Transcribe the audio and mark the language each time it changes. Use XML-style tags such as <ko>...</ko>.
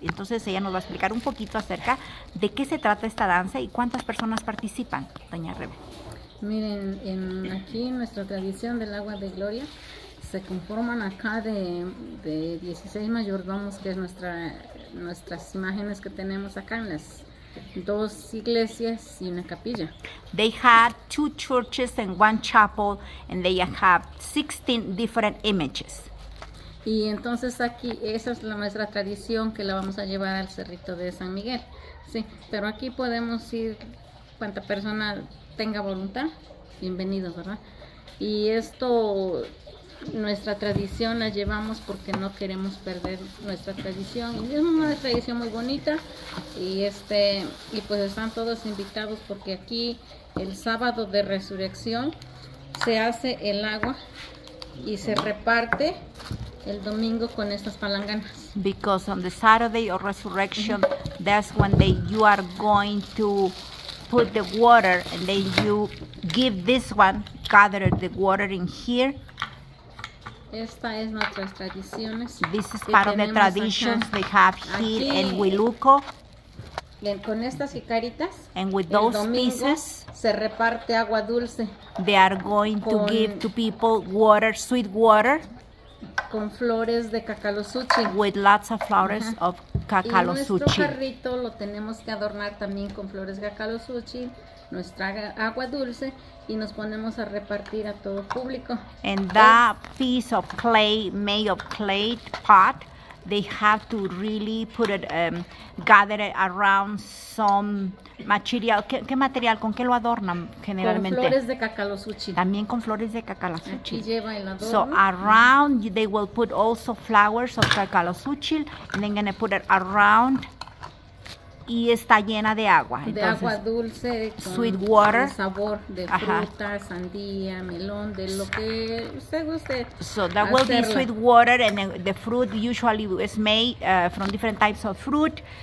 <es>Entonces ella nos va a explicar un poquito acerca de qué se trata esta danza y cuántas personas participan, doña Rebe. Miren, aquí en nuestra tradición del Agua de Gloria se conforman acá de 16 mayordomos, que es nuestras imágenes que tenemos acá en las dos iglesias y una capilla.</es> <en>They had two churches and one chapel, and they have 16 different images.</en> <es>Y entonces aquí, esa es nuestra tradición que la vamos a llevar al Cerrito de San Miguel. Sí, pero aquí podemos ir cuanta persona tenga voluntad, bienvenidos, ¿verdad? Y esto, nuestra tradición la llevamos porque no queremos perder nuestra tradición. Y es una tradición muy bonita y pues están todos invitados porque aquí el sábado de resurrección se hace el agua y se reparte el domingo con estas palanganas.</es> <en>Because on the Saturday of resurrection, that's when they you are going to put the water and then you give this one, gather the water in here.</en> <es>Esta es nuestras tradiciones.</es> <en>This is part of the traditions</en> <es>acá.</es> <en>They have here in Huiluco.</en> <es>Bien, con estas jicaritas,</es> <en>and with those pieces,</en> <es>se reparte agua dulce.</es> <en>They are going to give to people water, sweet water.</en> <es>Con flores de cacalosuchi.</es> <en>With lots of flowers of cacalosuchi.</en> <es>Y nuestro jarrito lo tenemos que adornar también con flores de cacalosuchi. Nuestra agua dulce y nos ponemos a repartir a todo público.</es> <en>And that piece of clay, made of clay pot, they have to really put it, gather it around some material.</en> <es>¿Qué material? ¿Con qué lo adornan generalmente? Con flores de cacalosuchi. También con flores de cacalosuchi. Aquí lleva el adorno.</es> <en>So around, they will put also flowers of cacalosuchi, and then gonna put it around.</en> <es>Y está llena de agua. Entonces, de agua dulce, con</es> <en>sweet water.</en> <es>Sabor de fruta, sandía, melón, de lo que usted guste.</es> <en>So that will be sweet water, and the fruit usually is made from different types of fruit.</en>